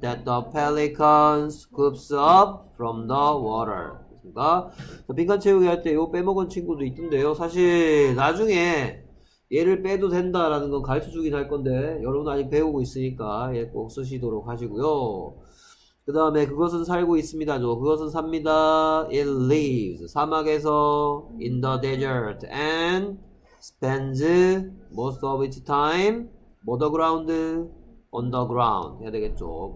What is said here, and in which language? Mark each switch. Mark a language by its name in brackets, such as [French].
[English] That the pelican scoops up from the water. [Korean] 그러니까 빈칸 채우기 할때 이거 빼먹은 친구도 있던데요. 사실 나중에 얘를 빼도 된다라는 건 가르쳐 주긴 할 건데, 여러분 아직 배우고 있으니까 얘꼭 쓰시도록 하시고요. 그 다음에 그것은 살고 있습니다죠. 그것은 삽니다. [English] It lives. [Korean] 사막에서 [English] in the desert and spends most of its time on the ground, underground [Korean] 해야 되겠죠.